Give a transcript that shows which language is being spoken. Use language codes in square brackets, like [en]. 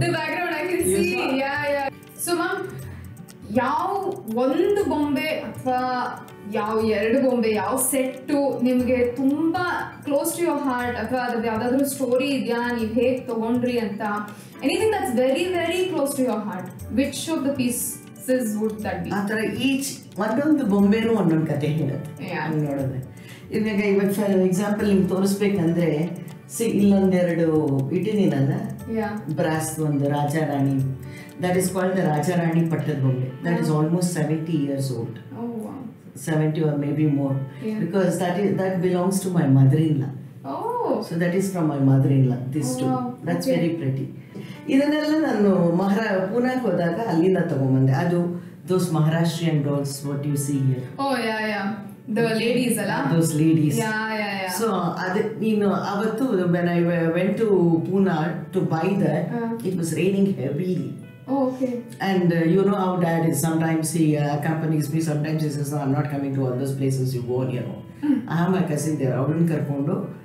[en] The background I can see. Yes, yeah. So, ma'am, [kn] yav ondu gombe athva yav eradu gombe yav set to nimge tumba [en] close to your heart [kn] athva adu yavadadru story idya neevu hege tagondri anta, [en] anything that's very, very close to your heart, which of the piece would that be? [kn] Each ಒಂದೊಂದು ಬೊಂಬೆನೂ ಒಂದೊಂದು ಕತೆ ಹೇಳುತ್ತೆ. ಇವಾಗ [en] for example [kn] ನಿಮ್ಗೆ ತೋರಿಸ್ಬೇಕಂದ್ರೆ, ಇಲ್ಲೊಂದೆರಡು ಇಟ್ಟಿದ್ದೀನಲ್ಲ brass, ಒಂದು Rajarani, [en] that is called the [kn] Rajarani ಪಟ್ಟದ ಬೊಂಬೆ. [en] That is almost 70 years old, 70 or maybe more, because that belongs to my mother in law. So that is from my mother in law, this too. That's very pretty. [kn] ಇದನ್ನೆಲ್ಲ ನಾನು ಪೂನಾಕ್ ಹೋದಾಗ ಅಲ್ಲಿಂದ ತಗೊಂಡ್ಬಂದೆ. [en] ಅದು those Maharashtrian dolls, what you see here. Oh yeah yeah, the ladies ಅಲ್ಲ, those ladies. Yeah yeah yeah. So [kn] ಅದು ನೀನು ಅವತ್ತು, [en] When I went to Poona to buy that, it was raining heavily. Okay. And you know how dad is, sometimes he accompanies me, sometimes he says, no, I'm not coming to all those places you go on your own. I have my cousin there, Arun Karpondo.